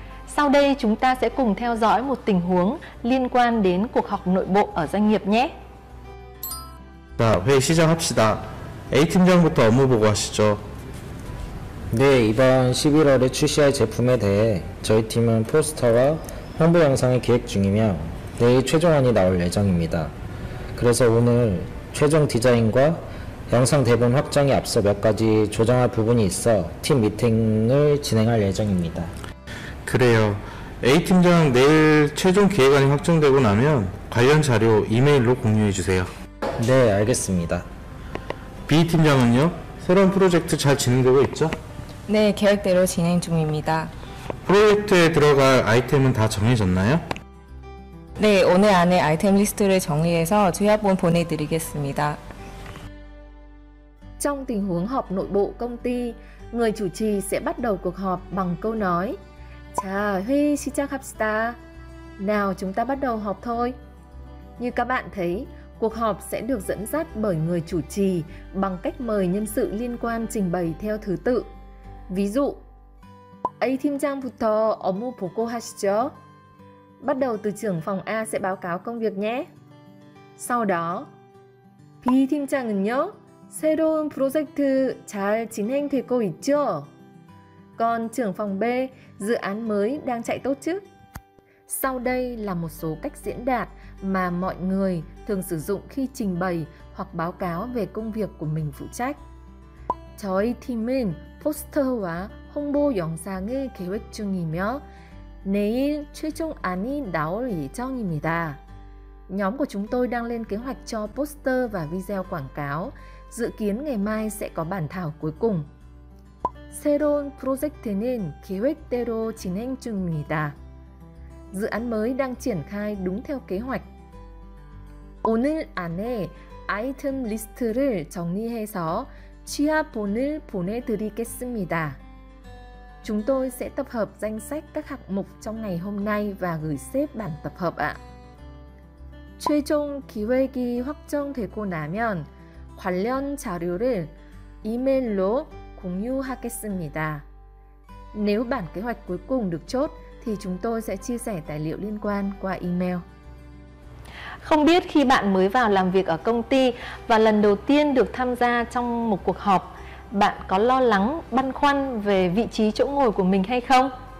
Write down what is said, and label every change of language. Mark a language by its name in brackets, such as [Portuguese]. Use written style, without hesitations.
[Vietnamese] Sau đây chúng ta sẽ cùng theo dõi một tình huống liên quan đến cuộc họp nội bộ ở doanh nghiệp nhé. [Korean] 자, 회의 시작합시다. A 팀장부터 업무 보고하시죠. 네, 이번 11월에 출시할 제품에 대해 저희 팀은 포스터와 홍보 영상을 기획 중이며 내일 최종안이 나올 예정입니다. 그래서 오늘 최종 디자인과 영상 대본 확장에 앞서 몇 가지 조정할 부분이 있어 팀 미팅을 진행할 예정입니다. 그래요. A팀장 내일 최종 기획안이 확정되고 나면 관련 자료 이메일로 공유해 주세요. 네, 알겠습니다. B팀장은요? 새로운 프로젝트 잘 진행되고 있죠? 네, 계획대로 진행 중입니다. 프로젝트에 들어갈 아이템은 다 정해졌나요? 네, 오늘 안에 아이템 리스트를 정리해서 주야본 보내드리겠습니다. [Vietnamese] Trong tình huống họp nội bộ công ty, người chủ trì sẽ bắt đầu cuộc họp bằng câu nói [Korean] 자, 회의 시작합시다. [Vietnamese] Nào, chúng ta bắt đầu họp thôi. Như các bạn thấy, cuộc họp sẽ được dẫn dắt bởi người chủ trì bằng cách mời nhân sự liên quan trình bày theo thứ tự. Ví dụ, [Korean] A팀장부터 업무 보고하시죠. [Vietnamese] Bắt đầu từ trưởng phòng A sẽ báo cáo công việc nhé. Sau đó, [Korean] B팀장은요. 새로운 프로젝트 잘 진행되고 있죠? [Vietnamese] Còn trưởng phòng B, dự án mới đang chạy tốt chứ? Sau đây là một số cách diễn đạt mà mọi người thường sử dụng khi trình bày hoặc báo cáo về công việc của mình phụ trách. [Korean] 저희 팀은 포스터와 홍보 영상을 계획 중이며 내일 최종안이 나올 예정입니다. [Vietnamese] Nhóm của chúng tôi đang lên kế hoạch cho poster và video quảng cáo. Dự kiến ngày mai sẽ có bản thảo cuối cùng. [Korean] 새로운 프로젝트는 계획대로 진행 중입니다. [Vietnamese] Dự án mới đang triển khai đúng theo kế hoạch. [Korean] 오늘 안에 아이템 리스트를 정리해서 취합본을 보내드리겠습니다. [Vietnamese] Chúng tôi sẽ tập hợp danh sách các hạng mục trong ngày hôm nay và gửi sếp bản tập hợp ạ. [Korean] 최종 기획이 확정되고 나면 관련 자료를 이메일로 공유하겠습니다. [Vietnamese] Nếu bản kế hoạch cuối cùng được chốt, thì chúng tôi sẽ chia sẻ tài liệu liên quan qua email. Không biết khi bạn mới vào làm việc ở công ty và lần đầu tiên được tham gia trong một cuộc họp, bạn có lo lắng, băn khoăn về vị trí chỗ ngồi của mình hay không?